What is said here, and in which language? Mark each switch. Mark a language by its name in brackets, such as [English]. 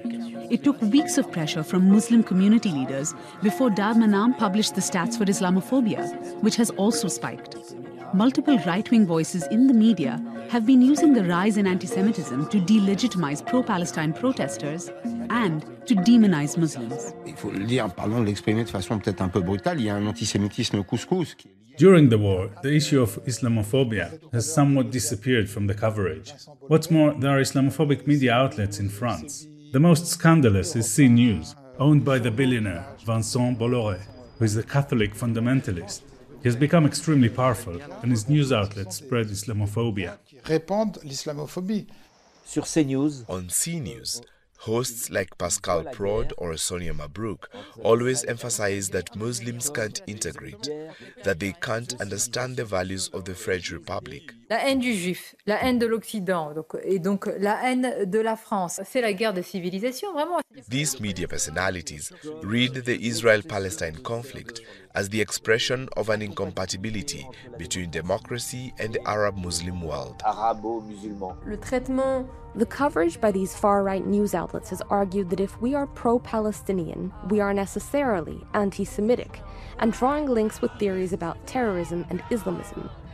[English] It took weeks of pressure from Muslim community leaders before Darmanin published the stats for Islamophobia, which has also spiked. Multiple right-wing voices in the media have been using the rise in anti-Semitism to delegitimize pro-Palestine protesters and to demonize Muslims. [French] Il faut le dire, pardon de l'exprimer de façon peut-être un peu brutale, il y a un antisémitisme couscous. [English] During the war, the issue of Islamophobia has somewhat disappeared from the coverage. What's more, there are Islamophobic media outlets in France. The most scandalous is CNews, owned by the billionaire Vincent Bolloré, who is a Catholic fundamentalist. He has become extremely powerful, and his news outlets spread Islamophobia. On CNews, hosts like Pascal Praud or Sonia Mabrouk always emphasize that Muslims can't integrate, that they can't understand the values of the French Republic. [French] La haine du juif, la haine de l'Occident, et donc la haine de la France, c'est la guerre de civilisation, vraiment. [English] These media personalities read the Israel-Palestine conflict as the expression of an incompatibility between democracy and the Arab-Muslim world. [French] Arabo-musulman. Le traitement. [English] The coverage by these far-right news outlets has argued that if we are pro-Palestinian, we are necessarily anti-Semitic, and drawing links with theories about terrorism and Islamism.